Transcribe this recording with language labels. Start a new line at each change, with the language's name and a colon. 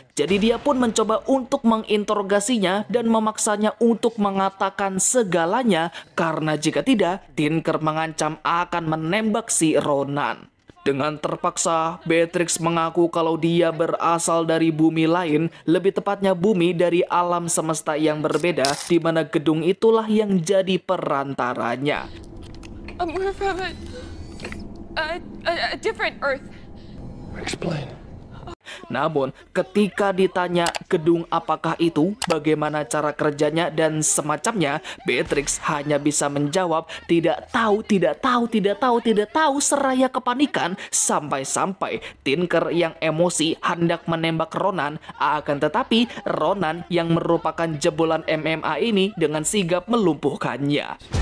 Indonesian: Jadi dia pun mencoba untuk menginterogasinya dan memaksanya untuk mengatakan segalanya, karena jika tidak, Tinker mengancam akan menembak si Ronan. Dengan terpaksa, Beatrix mengaku kalau dia berasal dari bumi lain, lebih tepatnya bumi dari alam semesta yang berbeda, di mana gedung itulah yang jadi perantaranya.
English: I'm from a different Earth. Explain.
Indonesian: Namun, ketika ditanya gedung apakah itu, bagaimana cara kerjanya, dan semacamnya, Beatrix hanya bisa menjawab, tidak tahu, tidak tahu, tidak tahu, tidak tahu, seraya kepanikan, sampai-sampai Tinker yang emosi hendak menembak Ronan, akan tetapi Ronan yang merupakan jebolan MMA ini dengan sigap melumpuhkannya.